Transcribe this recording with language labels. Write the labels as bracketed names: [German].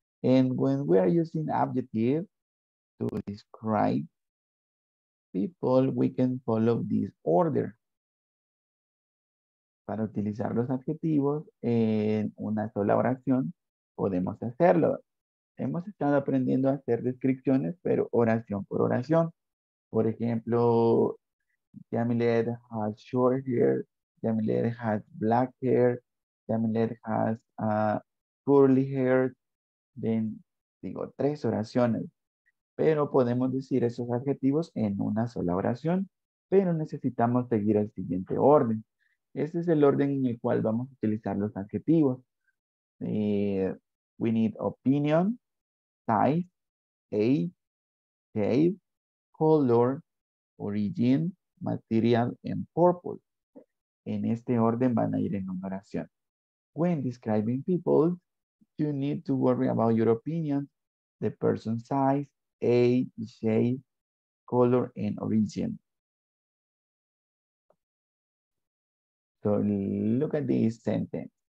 [English] And when we are using adjective to describe people, we can follow this order. [Spanish] Para utilizar los adjetivos en una sola oración, podemos hacerlo. Hemos estado aprendiendo a hacer descripciones, pero oración por oración. Por ejemplo, [English] Jamilet has short hair, Jamilet has black hair, Jamilet has curly hair. [Spanish] Then, digo, tres oraciones. Pero podemos decir esos adjetivos en una sola oración, pero necesitamos seguir el siguiente orden. Este es el orden en el cual vamos a utilizar los adjetivos. [English] We need opinion, size, age, shape, color, origin, material, and purpose. [Spanish] En este orden van a ir en una oración. [English] When describing people, you need to worry about your opinion, the person's size, age, shape, color, and origin. So look at this sentence.